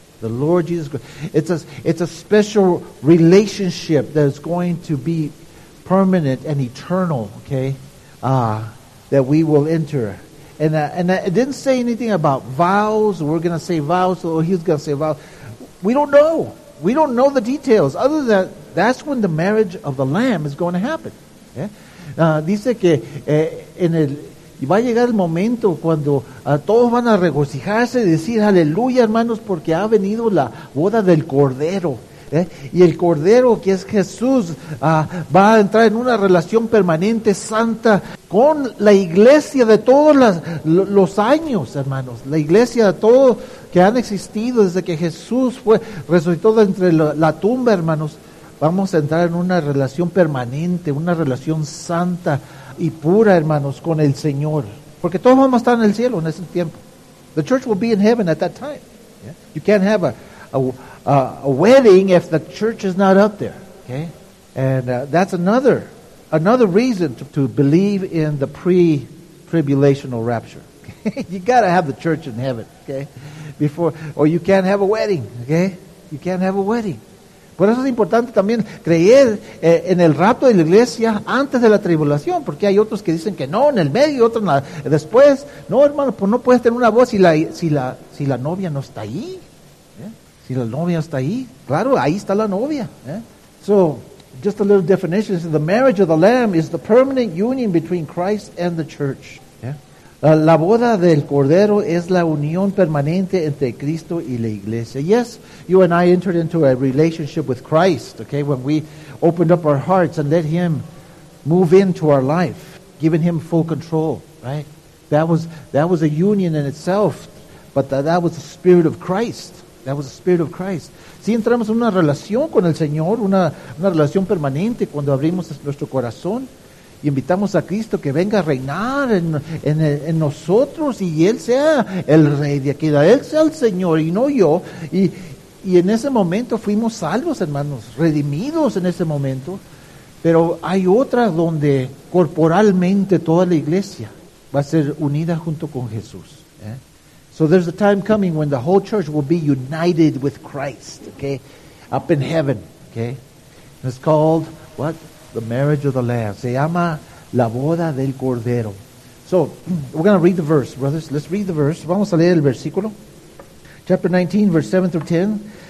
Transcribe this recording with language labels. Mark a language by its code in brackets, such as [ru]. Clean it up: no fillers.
[en] The Lord Jesus Christ. It's a special relationship that is going to be permanent and eternal, okay? That we will enter. And it didn't say anything about vows. We're going to say vows. So he's going to say vows. We don't know. We don't know the details. Other than that, that's when the marriage of the Lamb is going to happen. [es] Okay? Dice que en el... Y va a llegar el momento cuando todos van a regocijarse y decir aleluya, hermanos, porque ha venido la boda del Cordero. ¿Eh? Y el Cordero, que es Jesús, va a entrar en una relación permanente, santa, con la iglesia de todos los años, hermanos. La iglesia de todos que han existido desde que Jesús resucitó de entre la tumba, hermanos. Vamos a entrar en una relación permanente, una relación santa y pura, hermanos, con el Señor. Porque todos vamos a estar en el cielo en ese tiempo. [en] The church will be in heaven at that time. Yeah. You can't have a wedding if the church is not up there. Okay? And that's another reason to believe in the pre-tribulational rapture. Okay? You gotta have the church in heaven. Okay? Or you can't have a wedding. Okay? You can't have a wedding. [es] Por eso es importante también creer en el rapto de la iglesia antes de la tribulación, porque hay otros que dicen que no, en el medio, y otros después. No, hermano, pues no puedes tener una voz si la novia no está ahí. ¿Eh? Si la novia está ahí, claro, ahí está la novia. [en] ¿Eh? So, just a little definition. So the marriage of the Lamb is the permanent union between Christ and the church. ¿Eh? [es] La boda del Cordero es la unión permanente entre Cristo y la iglesia. [en] Yes, you and I entered into a relationship with Christ, okay, when we opened up our hearts and let Him move into our life, giving Him full control, right? That was a union in itself, but that was the Spirit of Christ. That was the Spirit of Christ. [es] Si entramos en una relación con el Señor, una relación permanente cuando abrimos nuestro corazón, y invitamos a Cristo que venga a reinar en nosotros y Él sea el Rey de aquí. Él sea el Señor y no yo. Y en ese momento fuimos salvos, hermanos, redimidos en ese momento. Pero hay otra donde corporalmente toda la iglesia va a ser unida junto con Jesús. ¿Eh? [en] So there's a time coming when the whole church will be united with Christ, okay? Up in heaven, okay? It's called, what? The marriage of the Lamb. [es] Se llama la boda del Cordero. [en] So, we're going to read the verse, brothers. Let's read the verse. [es] Vamos a leer el versículo. [en] Chapter 19, verse 7 through 10.